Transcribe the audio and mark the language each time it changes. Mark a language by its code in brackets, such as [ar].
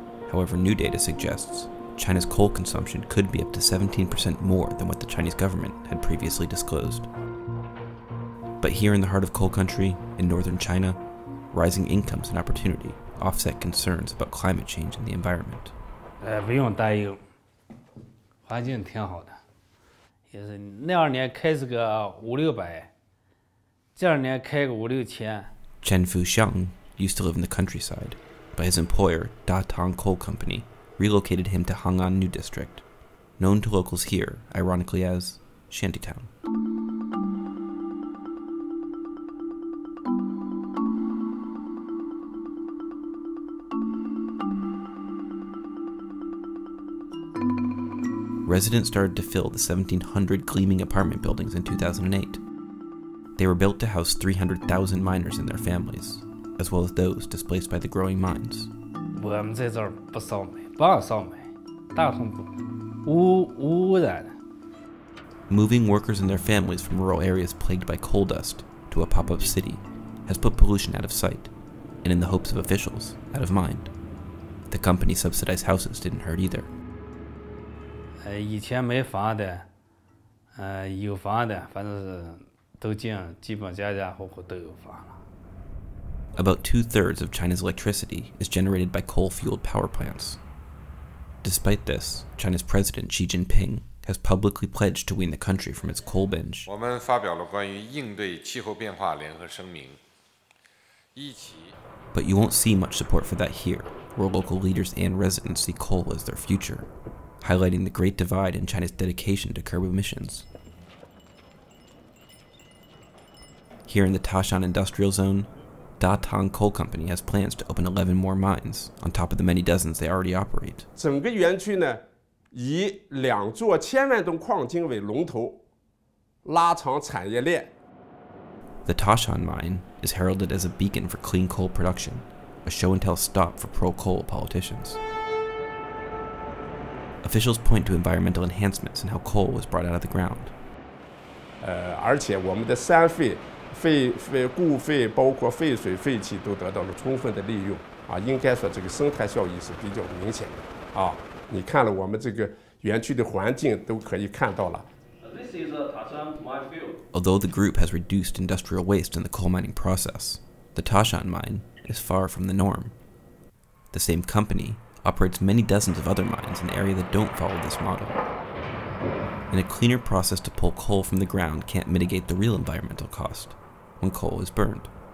[en] However, new data suggests China's coal consumption could be up to 17% more than what the Chinese government had previously disclosed. But here in the heart of coal country, in northern China, rising incomes and opportunity offset concerns about climate change and the environment. [zh] 不用担忧，环境挺好的。也是那二年开是个五六百，这二年开个五六千。 [en] Chen Fuxiang used to live in the countryside, but his employer, Da Tang Coal Company, relocated him to Hang'an New District, known to locals here, ironically, as Shantytown. Residents started to fill the 1,700 gleaming apartment buildings in 2008. They were built to house 300,000 miners and their families, as well as those displaced by the growing mines. We are not here to burn, not to burn. It's not polluted. Moving workers and their families from rural areas plagued by coal dust to a pop-up city has put pollution out of sight, and in the hopes of officials, out of mind. The company-subsidized houses didn't hurt either. [zh] 以前没房的，有房的，反正是都进，基本家家户户都有房了。 [en] About 2/3 of China's electricity is generated by coal-fueled power plants. Despite this, China's President Xi Jinping has publicly pledged to wean the country from its coal binge. [zh] 我们发表了关于应对气候变化联合声明，一起。 [en] But you won't see much support for that here, where local leaders and residents see coal as their future. Highlighting the great divide in China's dedication to curb emissions. Here in the Tashan Industrial Zone, Da Tang Coal Company has plans to open 11 more mines, on top of the many dozens they already operate. [zh] 整个园区呢，以两座千万吨矿井为龙头，拉长产业链。 [en] The Tashan mine is heralded as a beacon for clean coal production, a show-and-tell stop for pro-coal politicians. Officials point to environmental enhancements and how coal was brought out of the ground. [zh] 而且我们的三废，废废固废，包括废水、废气都得到了充分的利用。啊，应该说这个生态效益是比较明显的。啊，你看了我们这个园区的环境都可以看到了。 [en] This is a Tashan mine field. Although the group has reduced industrial waste in the coal mining process, the Tashan mine is far from the norm. The same company. Operates many dozens of other mines in an area that don't follow this model. And a cleaner process to pull coal from the ground can't mitigate the real environmental cost when coal is burned.